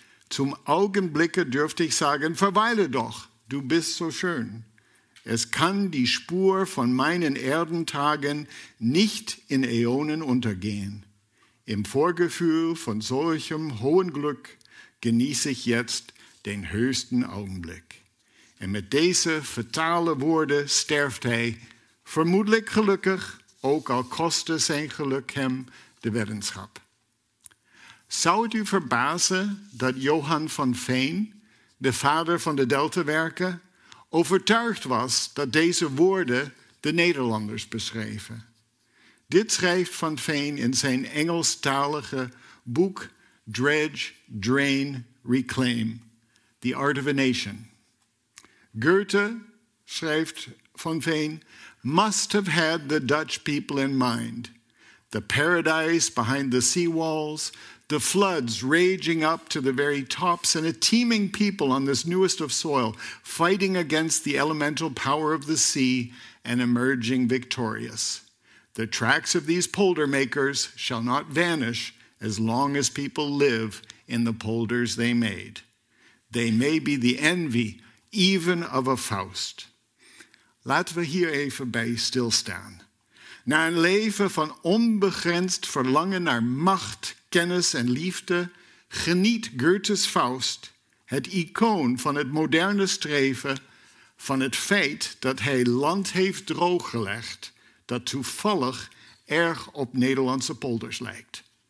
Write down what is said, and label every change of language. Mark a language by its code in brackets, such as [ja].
[de] Zum Augenblicke dürfte ich sagen, verweile doch, du bist so schön. Es kann die Spur von meinen Erdentagen nicht in Äonen untergehen. Im Vorgefühl von solchem hohen Glück genieße ich jetzt den höchsten Augenblick. [nl] En met deze fatale woorden sterft hij, vermoedelijk gelukkig, ook al kostte zijn geluk hem de weddenschap. Zou het u verbazen dat Johan van Veen, de vader van de Deltawerken, overtuigd was dat deze woorden de Nederlanders beschreven? Dit schrijft van Veen in zijn Engelstalige boek Dredge, Drain, Reclaim, The Art of a Nation. [en] Goethe, [nl] schrijft van Veen, [en] must have had the Dutch people in mind. The paradise behind the seawalls, the floods raging up to the very tops, and a teeming people on this newest of soil, fighting against the elemental power of the sea and emerging victorious. The tracks of these polder makers shall not vanish as long as people live in the polders they made. They may be the envy even of a Faust. [nl] Laten we hier even bij stilstaan. Na een leven van onbegrensd verlangen naar macht, kennis en liefde, geniet Goethes Faust, het icoon van het moderne streven, van het feit dat hij land heeft drooggelegd dat toevallig erg op Nederlandse polders lijkt.